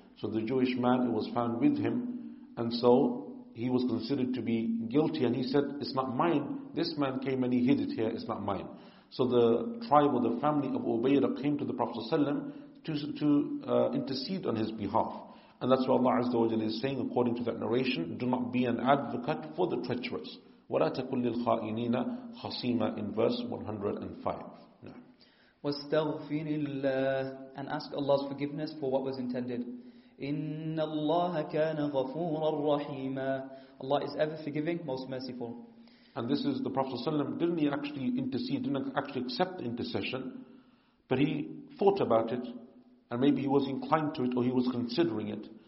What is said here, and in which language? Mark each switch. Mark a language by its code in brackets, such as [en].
[en] So the Jewish man, it was found with him, and so he was considered to be guilty, and he said, it's not mine, this man came and he hid it here, it's not mine. So the tribe or the family of Ubayra came to the Prophet ﷺ to intercede on his behalf. And that's why Allah Azza wa Jalla is saying, according to that narration, do not be an advocate for the treacherous. [ar] وَلَا تَكُلْ لِلْخَائِنِينَ خَصِيمًا [en] in verse 105. [ar] وَاسْتَغْفِرِ اللَّهِ [en] and ask Allah's forgiveness for what was intended. [ar] إِنَّ اللَّهَ كَانَ غَفُورًا رَحِيمًا [en] Allah is ever forgiving, most merciful. And this is the Prophet ﷺ, didn't he actually intercede, didn't actually accept the intercession, but he thought about it, and maybe he was inclined to it, or he was considering it.